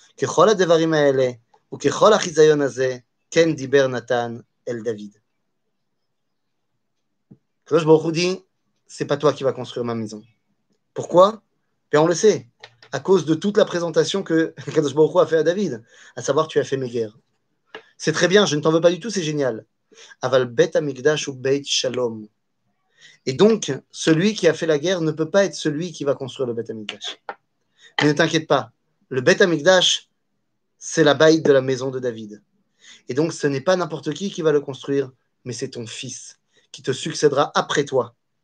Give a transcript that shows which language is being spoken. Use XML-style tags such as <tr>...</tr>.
<he>ככל הדברים האלה, וככל החיזיון הזה, כן דיבר נתן אל דוד.</he> <fr>הקדוש ברוך הוא dit, c'est pas toi qui va construire ma maison. Pourquoi? Bien, on le sait, à cause de toute la présentation que הקדוש ברוך הוא a fait à David, à savoir, tu as fait mes guerres. C'est très bien, je ne t'en veux pas du tout, c'est génial.</fr> <he>אבל בית המקדש הוא בית שלום.</he> <fr>Et donc, celui qui a fait la guerre ne peut pas être celui qui va construire le בית המקדש. Mais ne t'inquiète pas, le Beth Amikdash, c'est la baïte de la maison de David. Et donc, ce n'est pas n'importe qui va le construire, mais c'est ton fils qui te succédera après toi.</fr>